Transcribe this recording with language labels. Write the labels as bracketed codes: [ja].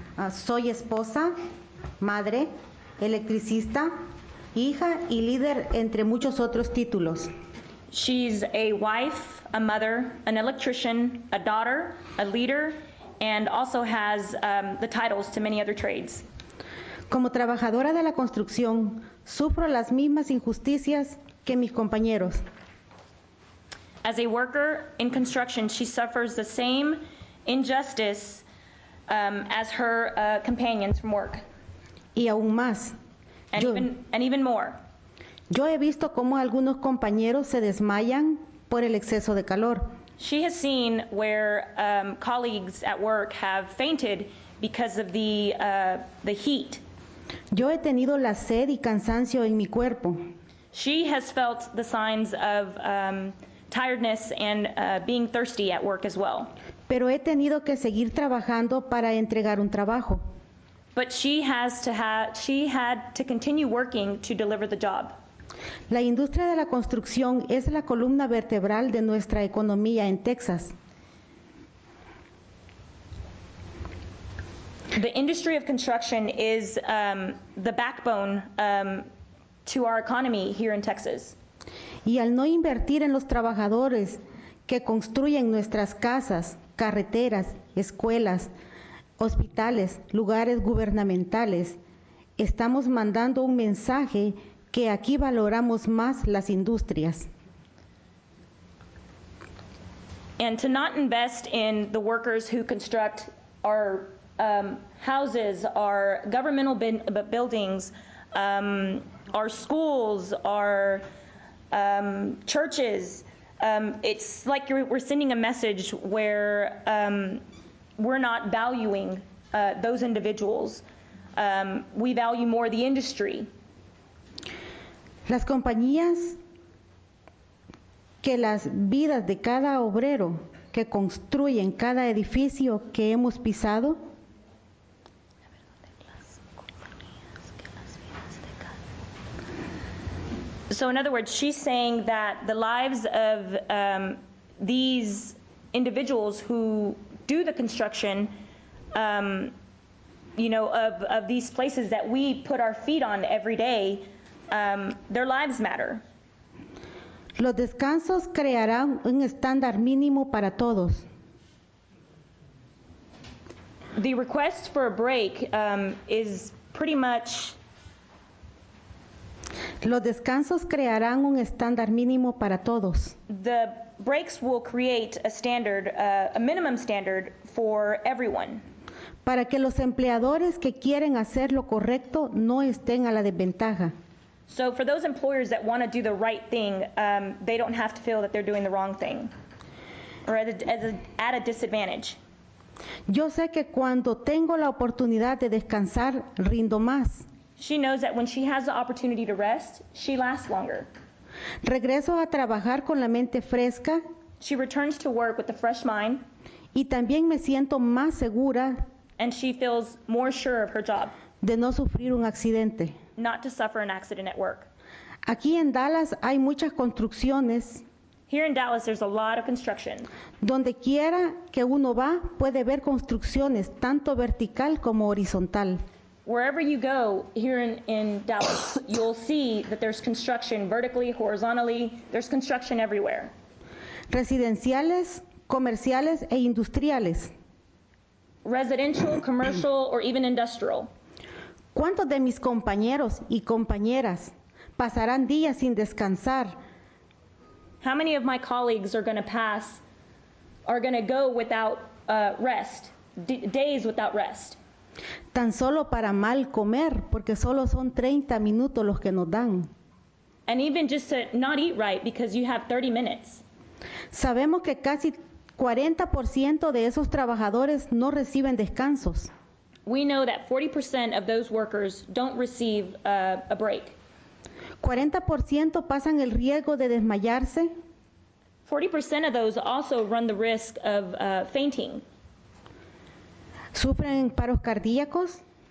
[es] Soy esposa, madre, electricista, hija y líder entre muchos otros títulos. [en] She's a wife, a mother, an electrician, a daughter, a leader, and also has the titles to many other trades. [es] Como trabajadora de la construcción, sufro las mismas injusticias que mis compañeros. [en] As a worker in construction, she suffers the same injustice as her companions from work. [es] Y aún más. [en] And, even more. [es] Yo he visto cómo algunos compañeros se desmayan por el exceso de calor. [en] She has seen where colleagues at work have fainted because of the heat. [es] Yo he tenido la sed y cansancio en mi cuerpo. [en] She has felt the signs of tiredness and being thirsty at work as well. [es] Pero he tenido que seguir trabajando para entregar un trabajo. [en] But she had to continue working to deliver the job. [es] La industria de la construcción es la columna vertebral de nuestra economía en Texas. [en] The industry of construction is the backbone to our economy here in Texas. [es] Y al no invertir en los trabajadores que construyen nuestras casas, carreteras, escuelas, hospitales, lugares gubernamentales, estamos mandando un mensaje que aquí valoramos más las industrias. [en] And to not invest in the workers who construct our houses, our governmental buildings, our schools, our churches, it's like we're sending a message where we're not valuing those individuals. We value more the industry. [es] Las compañías que las vidas de cada obrero que construyen cada edificio que hemos pisado. [en] So in other words, she's saying that the lives of these individuals who do the construction you know, of these places that we put our feet on every day, their lives matter. [es] Los descansos crearán un estándar mínimo para todos. [en] The request for a break is pretty much. [es] Los descansos crearán un estándar mínimo para todos. [en] The breaks will create a standard, a minimum standard for everyone. [es] Para que los empleadores que quieren hacer lo correcto no estén a la desventaja. [en] So for those employers that want to do the right thing, they don't have to feel that they're doing the wrong thing or at a disadvantage. [es] Yo sé que cuando tengo la oportunidad de descansar, rindo más. [en] She knows that when she has the opportunity to rest, she lasts longer. [es] Regreso a trabajar con la mente fresca. [en] She returns to work with a fresh mind. [es] Y también me siento más segura. [en] And she feels more sure of her job. [es] De no sufrir un accidente. [en] Not to suffer an accident at work. [es] Aquí en Dallas hay muchas construcciones. [en] Here in Dallas, there's a lot of construction. [es] Donde quiera que uno va, puede ver construcciones, tanto vertical como horizontal. [en] Wherever you go here in Dallas, you'll see that there's construction vertically, horizontally. There's construction everywhere. [es] Residenciales, comerciales e industriales. [en] Residential, commercial, or even industrial. [es] ¿Cuántos de mis compañeros y compañeras pasarán días sin descansar? [en] How many of my colleagues are going to pass, are going to go without rest, days without rest? [es] Tan solo para mal comer, porque solo son 30 minutos los que nos dan. [en] And even just to not eat right, because you have 30 minutes. [es] Sabemos que casi 40% de esos trabajadores no reciben descansos. [en] We know that 40% of those workers don't receive a break. [es] 40% pasan el riesgo de desmayarse. [en] 40% of those also run the risk of fainting. [es] Sufren paros cardíacos.